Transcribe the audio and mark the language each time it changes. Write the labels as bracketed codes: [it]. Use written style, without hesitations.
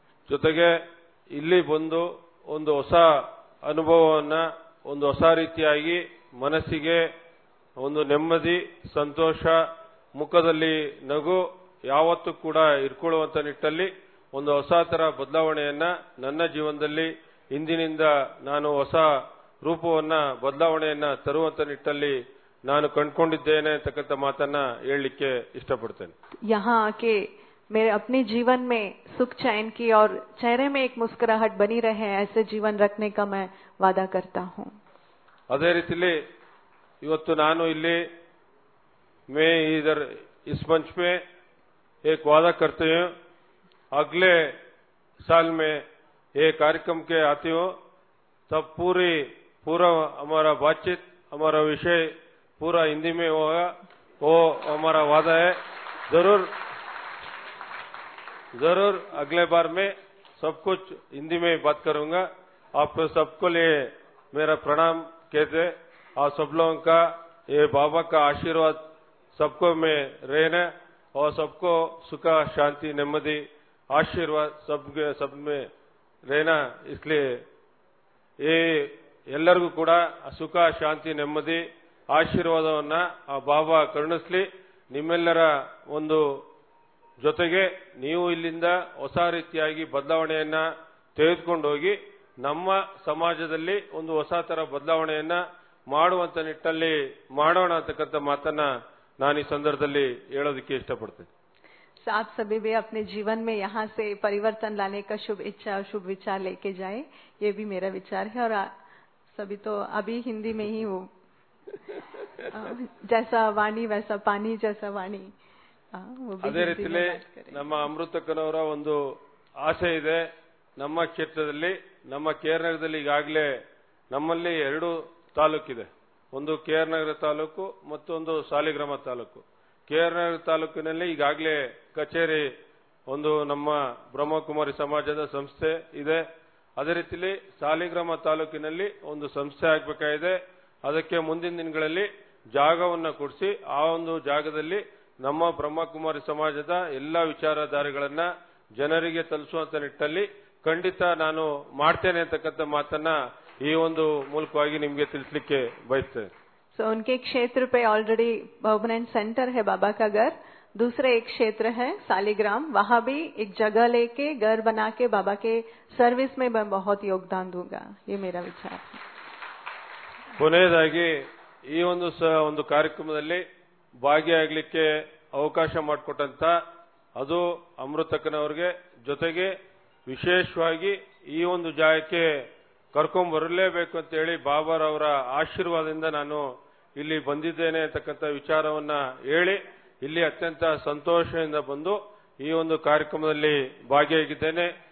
[kn] ಜೊತೆಗೆ ಇಲ್ಲಿ ಬಂದು ಒಂದು ಹೊಸ ಅನುಭವವನ್ನ ಒಂದು ಹೊಸ ರೀತಿಯಾಗಿ ಮನಸ್ಸಿಗೆ ಒಂದು ನೆಮ್ಮದಿ ಸಂತೋಷ ಮುಖದಲ್ಲಿ ನಗು ಯಾವತ್ತೂ ಕೂಡ ಇರ್ಕೊಳ್ಳುವಂತ ನಿಟ್ಟಲ್ಲಿ ಒಂದು ಹೊಸ ತರ ಬದಲಾವಣೆಯನ್ನ ನನ್ನ ಜೀವನದಲ್ಲಿ ಇಂದಿನಿಂದ ನಾನು ಹೊಸ ರೂಪವನ್ನ ಬದಲಾವಣೆಯನ್ನ ತರುವಂತ ನಿಟ್ಟಲ್ಲಿ ನಾನು ಕಂಡುಕೊಂಡಿದ್ದೇನೆ ಅಂತಕ್ಕಂಥ ಮಾತನ್ನ ಹೇಳಲಿಕ್ಕೆ ಇಷ್ಟಪಡ್ತೇನೆ. [hi] ಯಹಾ ಆಕೆ ಮೇರೆ ಅಪ್ನೇ ಜೀವನ ಮೇ सुख चैन की और चेहरे में एक मुस्कुराहट बनी रहे ऐसे जीवन रखने का मैं वादा करता हूँ। [kn] अदे रीतले इवत्तु नानु इल्ले [hi] मैं इधर इस मंच पे एक वादा करते हूँ, अगले साल में ये कार्यक्रम के आते हो तब पूरी पूरा हमारा बातचीत हमारा विषय पूरा हिंदी में होगा, वो हमारा वादा है। जरूर जरूर अगले बार में सब कुछ हिंदी में बात करूंगा। आप सबको लिए मेरा प्रणाम कहते और सब लोगों का ये बाबा का आशीर्वाद सबको में रहना और सबको सुख शांति नेमदी आशीर्वाद सबके सब में रहना, इसलिए ये [kn] ಎಲ್ಲರಿಗೂ ಕೂಡ ಸುಖ ಶಾಂತಿ ನೆಮ್ಮದಿ ಆಶೀರ್ವಾದವನ್ನ ಆ ಬಾಬಾ ಕರುಣಿಸಲಿ। ನಿಮ್ಮೆಲ್ಲರ ಒಂದು ಜೊತೆಗೆ ನೀವು ಇಲ್ಲಿಂದ ಹೊಸ ರೀತಿಯಾಗಿ ಬದಲಾವಣೆಯನ್ನ ತೆಗೆದುಕೊಂಡು ಹೋಗಿ ನಮ್ಮ ಸಮಾಜದಲ್ಲಿ ಒಂದು ಹೊಸ ತರ ಬದಲಾವಣೆಯನ್ನ ಮಾಡುವಂತ ನಿಟ್ಟಲ್ಲಿ ಮಾಡೋಣ ಅಂತಕ್ಕಂಥ ಮಾತನ್ನ ನಾನು ಈ ಸಂದರ್ಭದಲ್ಲಿ ಹೇಳೋದಕ್ಕೆ ಇಷ್ಟಪಡ್ತೇನೆ। [hi] आप सभी भी अपने जीवन में यहाँ से परिवर्तन लाने का शुभ इच्छा और शुभ विचार लेके जाए, ये भी मेरा विचार है। और सभी तो अभी हिंदी में ही हो, जैसा वाणी वैसा पानी, जैसा वाणी वो भी अदेर हिंदी में बात करें। [kn] नम्मा अमृत कनौर ಒಂದು ಆಸೆ ಇದೆ ನಮ್ಮ ಕ್ಷೇತ್ರದಲ್ಲಿ ನಮ್ಮ ಕೇರ್ನಗರದಲ್ಲಿ ಈಗಾಗಲೇ ನಮ್ಮಲ್ಲಿ ಎರಡು ತಾಲೂಕಿದೆ, ಒಂದು ಕೇರ್ನಗರ ತಾಲೂಕು ಮತ್ತೊಂದು ಸಾಲಿಗ್ರಾಮ ತಾಲೂಕು। ಕೇರ್ನಗರ ತಾಲೂಕಿನಲ್ಲಿ ಈಗಾಗಲೇ ಕಚೇರಿ ಒಂದು ನಮ್ಮ ಬ್ರಹ್ಮಕುಮಾರಿ ಸಮಾಜದ ಸಂಸ್ಥೆ ಇದೆ, ಅದೇ ರೀತಿಯಲ್ಲಿ ಸಾಲಿಗ್ರಾಮ ತಾಲೂಕಿನಲ್ಲಿ ಒಂದು ಸಂಸ್ಥೆ ಆಗಬೇಕಾಗಿದೆ। ಅದಕ್ಕೆ ಮುಂದಿನ ದಿನಗಳಲ್ಲಿ ಜಾಗವನ್ನು ಕೊಡಿಸಿ ಆ ಒಂದು ಜಾಗದಲ್ಲಿ ನಮ್ಮ ಬ್ರಹ್ಮಕುಮಾರಿ ಸಮಾಜದ ಎಲ್ಲ ವಿಚಾರಧಾರೆಗಳನ್ನು ಜನರಿಗೆ ತಲುಪಿಸುವಂತ ನಿಟ್ಟಲ್ಲಿ ಖಂಡಿತ ನಾನು ಮಾಡ್ತೇನೆ ಅಂತಕ್ಕಂಥ ಮಾತನ್ನ ಈ ಒಂದು ಮೂಲಕವಾಗಿ ನಿಮಗೆ ತಿಳಿಸಲಿಕ್ಕೆ ಬಯಸ್ತೇನೆ। [hi] सो उनके क्षेत्र पे ऑलरेडी परमानेंट सेंटर है बाबा का घर, दूसरा एक क्षेत्र है सालीग्राम, वहां भी एक जगह लेके घर बना के बाबा के सर्विस में मैं बहुत योगदान दूंगा, ये मेरा विचार है। [kn] ಕೊನೆಯದಾಗಿ ಈ ಒಂದು ಒಂದು ಕಾರ್ಯಕ್ರಮದಲ್ಲಿ ಭಾಗಿಯಾಗಲಿಕ್ಕೆ ಅವಕಾಶ ಮಾಡಿಕೊಟ್ಟಂತ ಅದು ಅಮೃತಕನವರಿಗೆ, ಜೊತೆಗೆ ವಿಶೇಷವಾಗಿ ಈ ಒಂದು ಜಾಗಕ್ಕೆ ಕರ್ಕೊಂಡು ಬರಲೇಬೇಕು ಅಂತೇಳಿ ಬಾಬಾರವರ ಆಶೀರ್ವಾದದಿಂದ ನಾನು ಇಲ್ಲಿ ಬಂದಿದ್ದೇನೆ ಅಂತಕ್ಕಂಥ ವಿಚಾರವನ್ನ ಹೇಳಿ ಇಲ್ಲಿ ಅತ್ಯಂತ ಸಂತೋಷದಿಂದ ಬಂದು ಈ ಒಂದು ಕಾರ್ಯಕ್ರಮದಲ್ಲಿ ಭಾಗಿಯಾಗಿದ್ದೇನೆ।